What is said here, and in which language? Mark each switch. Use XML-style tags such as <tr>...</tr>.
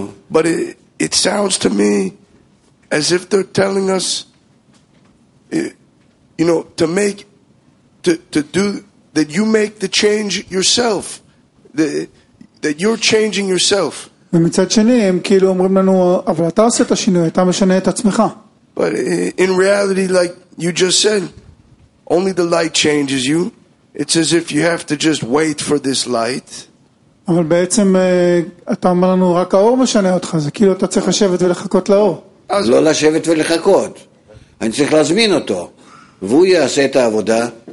<en>But it sounds to me as if they're telling us, you know, to make to do that, you make the change yourself, that you're changing yourself.</en> <he>ומצד שני הם כאילו אומרים לנו, אבל אתה עושה את השינוי, אתה משנה את עצמך.</he> <en>But in reality, like you just said, only the light changes you. It's as if you have to just wait for this light.</en> <he>אבל בעצם אתה אומר לנו רק האור משנה אותך, זה כאילו אתה צריך לשבת ולחכות לאור. לא לשבת ולחכות, אני צריך להזמין אותו והוא יעשה את העבודה.</he>